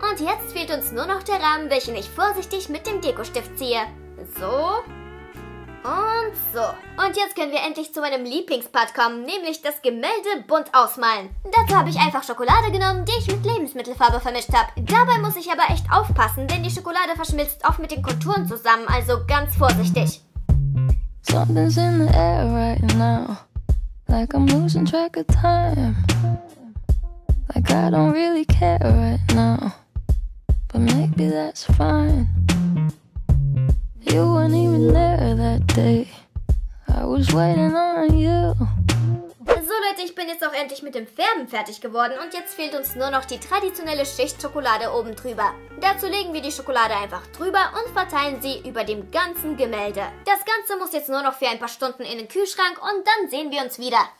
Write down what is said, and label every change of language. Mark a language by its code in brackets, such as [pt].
[de] Und jetzt fehlt uns nur noch der Rahmen, welchen ich vorsichtig mit dem Dekostift ziehe. So. Und so. Und jetzt können wir endlich zu meinem Lieblingspart kommen, nämlich das Gemälde bunt ausmalen. Dazu habe ich einfach Schokolade genommen, die ich mit Lebensmittelfarbe vermischt habe. Dabei muss ich aber echt aufpassen, denn die Schokolade verschmilzt oft mit den Konturen zusammen, also ganz vorsichtig. [en] Something's in the air right now. Like I'm losing track of time. Like I don't really care right now. But maybe that's fine. You weren't even there that day. I was waiting on you. [de] So Leute, ich bin jetzt auch endlich mit dem Färben fertig geworden und jetzt fehlt uns nur noch die traditionelle Schicht Schokolade oben drüber. Dazu legen wir die Schokolade einfach drüber und verteilen sie über dem ganzen Gemälde. Das Ganze muss jetzt nur noch für ein paar Stunden in den Kühlschrank und dann sehen wir uns wieder.